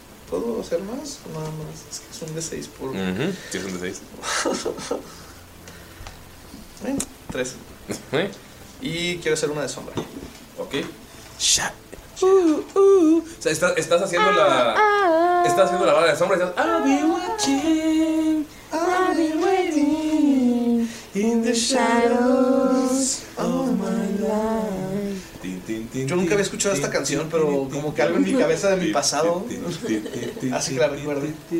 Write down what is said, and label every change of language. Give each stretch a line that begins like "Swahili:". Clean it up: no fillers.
Spanish: ¿Puedo hacer más o nada más? Es que son de 6 por. Uh-huh. Sí, son de 6. Bueno, 3. ¿Eh? Y quiero hacer una de sombra. Ok. Ya. O sea, estás haciendo estás haciendo la bala de sombra y estás
English: I'll be waiting in the shadows of my life.
Spanish: Yo nunca había escuchado esta canción, pero como que algo en mi cabeza de mi pasado hace que la recuerde.